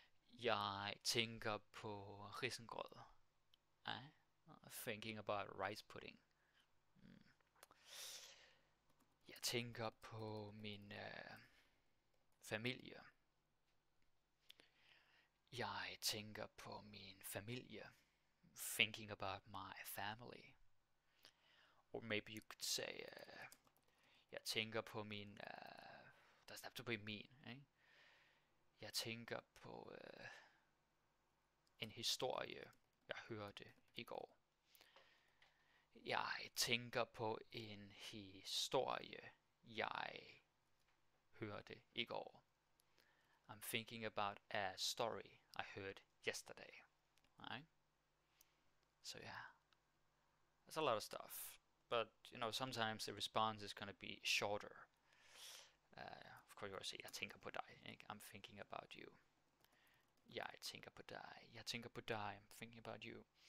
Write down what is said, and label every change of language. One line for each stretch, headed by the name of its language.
Danish: Jeg tænker på risengrød.
English: Thinking about rice pudding.
Danish: Jeg tænker på min familie. Jeg tænker på min familie.
English: Thinking about my family. Or maybe you could say,
Danish: jeg tænker på min,
English: doesn't have to be mean, eh?
Danish: Jeg tænker på en historie, jeg hørte i går. Jeg tænker på en historie, jeg hørte i går.
English: I'm thinking about a story I heard yesterday, right? So yeah, that's a lot of stuff. But you know, sometimes the response is gonna be shorter. Of course, you're saying,
Danish: "Jeg tænker på dig."
English: I'm thinking about you. Yeah, I
Danish: tænker på dig.
English: Jeg tænker på dig. I'm thinking about you.